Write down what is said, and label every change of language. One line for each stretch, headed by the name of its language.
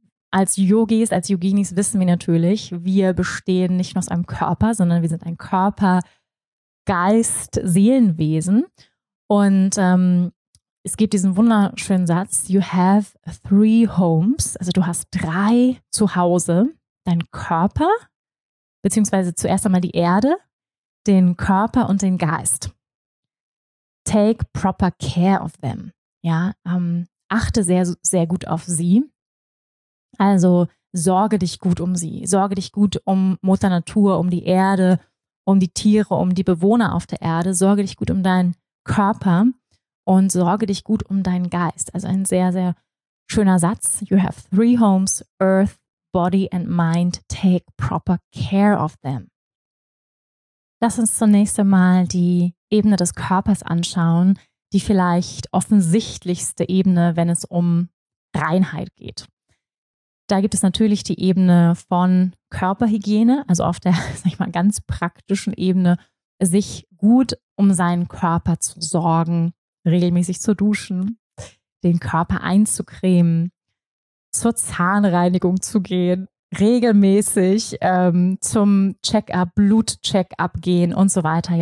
German: Als Yogis, als Yoginis wissen wir natürlich, wir bestehen nicht nur aus einem Körper, sondern wir sind ein Körper, Geist, Seelenwesen. Und es gibt diesen wunderschönen Satz,
English: you have three homes,
German: also du hast drei Zuhause, dein Körper, beziehungsweise zuerst einmal die Erde, den Körper und den Geist.
English: Take proper care of them.
German: Ja, achte sehr, sehr gut auf sie. Also sorge dich gut um sie. Sorge dich gut um Mutter Natur, um die Erde, um die Tiere, um die Bewohner auf der Erde. Sorge dich gut um deinen Körper und sorge dich gut um deinen Geist. Also ein sehr, sehr schöner Satz.
English: You have three homes, earth, body and mind. Take proper care of them.
German: Lass uns zunächst einmal die Ebene des Körpers anschauen, die vielleicht offensichtlichste Ebene, wenn es um Reinheit geht. Da gibt es natürlich die Ebene von Körperhygiene, also auf der, sag ich mal, ganz praktischen Ebene, sich gut um seinen Körper zu sorgen, regelmäßig zu duschen, den Körper einzucremen, zur Zahnreinigung zu gehen, regelmäßig zum Check-up, Blut-Check-up gehen und so weiter.